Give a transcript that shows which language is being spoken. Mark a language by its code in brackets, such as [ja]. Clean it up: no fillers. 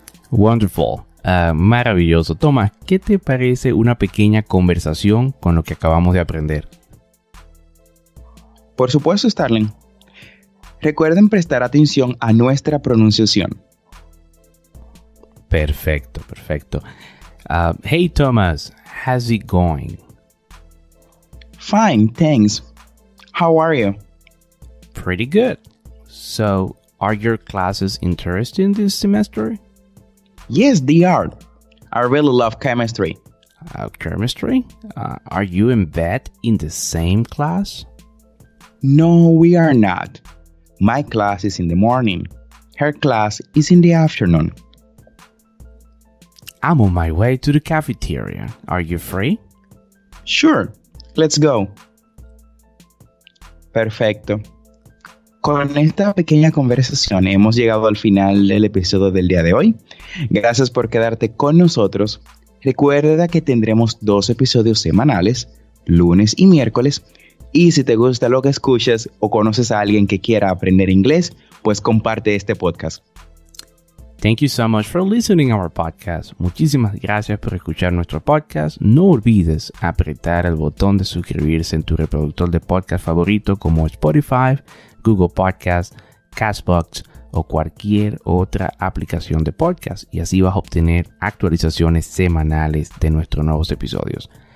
[en] Wonderful. [es] Maravilloso. Tomás, ¿qué te parece una pequeña conversación con lo que acabamos de aprender? Por supuesto, Starling. Recuerden prestar atención a nuestra pronunciación. Perfecto, perfecto. [en] Hey, Thomas, how's it going? Fine, thanks. How are you? Pretty good. So, are your classes interesting this semester? Yes, they are. I really love chemistry. Chemistry? Are you and Beth in the same class? No, we are not. My class is in the morning. Her class is in the afternoon. I'm on my way to the cafeteria. Are you free? Sure. Let's go. [es] Perfecto. Con esta pequeña conversación hemos llegado al final del episodio del día de hoy. Gracias por quedarte con nosotros. Recuerda que tendremos 2 episodios semanales, lunes y miércoles. Y si te gusta lo que escuchas o conoces a alguien que quiera aprender inglés, pues comparte este podcast. [en] Thank you so much for listening our podcast. [es] Muchísimas gracias por escuchar nuestro podcast. No olvides apretar el botón de suscribirse en tu reproductor de podcast favorito como Spotify, Google Podcast, Castbox o cualquier otra aplicación de podcast. Y así vas a obtener actualizaciones semanales de nuestros nuevos episodios.